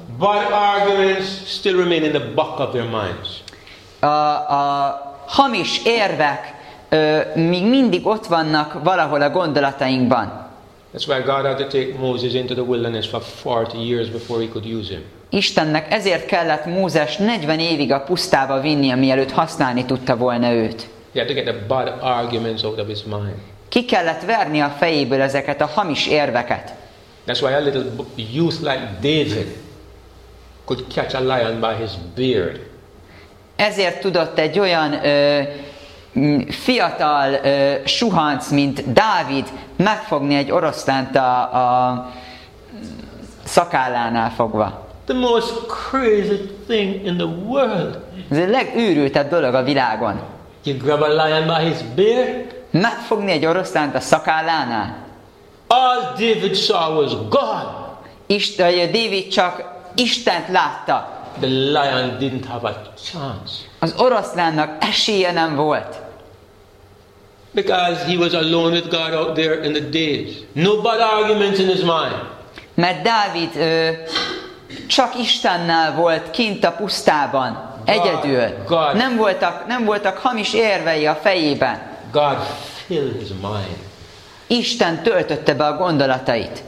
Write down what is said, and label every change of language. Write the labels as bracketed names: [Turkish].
[English] But arguments still remain in the back of their minds. [Hungarian] A hamis érvek még mindig ott vannak valahol a gondolatainkban. [English] That's why God had to take Moses into the wilderness for 40 years before he could use him. [Hungarian] Istennek ezért kellett Mózes 40 évig a pusztába vinni, mielőtt használni tudta volna őt. [English] He had to get the bad arguments out of his mind. [Hungarian] Ki kellett verni a fejéből ezeket a hamis érveket. [English] That's why a little youth like David could catch a lion by his beard. [Hungarian] Ezért tudott egy olyan fiatal suhanc, mint Dávid megfogni egy oroszlánt a szakállánál fogva. [English] The most crazy thing in the world. [Hungarian] Ez a legőrültebb dolog a világon. [English] You grab a lion by his beard? [Hungarian] Megfogni egy oroszlánt a szakállánál. [English] All David saw was God. [Hungarian] David csak Istent látta. [English] The lion didn't have a chance. [Hungarian] Az oroszlánnak esélye nem volt. [English] Because he was alone with God out there in the days. No bad arguments in his mind. [Hungarian] Mert Dávid csak Istennel volt kint a pusztában, egyedül. [English] God. [Hungarian] Nem voltak hamis érvei a fejében. [English] God filled his mind. [Hungarian] Isten töltötte be a gondolatait.